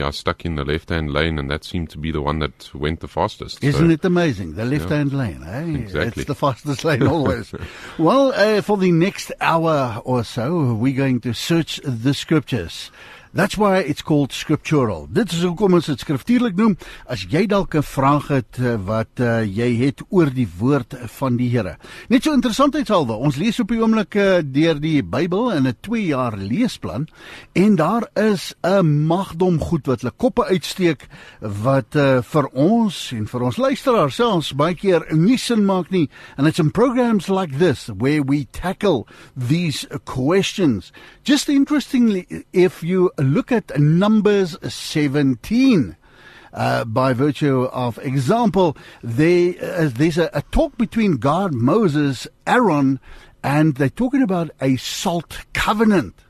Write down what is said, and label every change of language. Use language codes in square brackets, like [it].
[en] I stuck in the left-hand lane, and that seemed to be the one that went the fastest. Isn't it amazing? The left-hand lane, eh? Exactly. It's the fastest lane always. Well, for the next hour or so, we're going to search the scriptures. That's why it's called scriptural. [af] Dit is hoekom ons het skriftuurlik noem. As jy dalk 'n vraag het wat jy het oor die woord van die Here. Net so interessantheidshalwe, ons lees op die oomblik deur die Bybel in 'n 2-jaar leesplan en daar is 'n magdom goed wat hulle koppe uitsteek wat vir ons en vir ons luisteraars selfs baie keer nie sin maak nie. [en] And it's in programs like this where we tackle these questions. Just interestingly, if you look at Numbers 17, by virtue of example, there's a talk between God, Moses, Aaron, and they're talking about a salt covenant.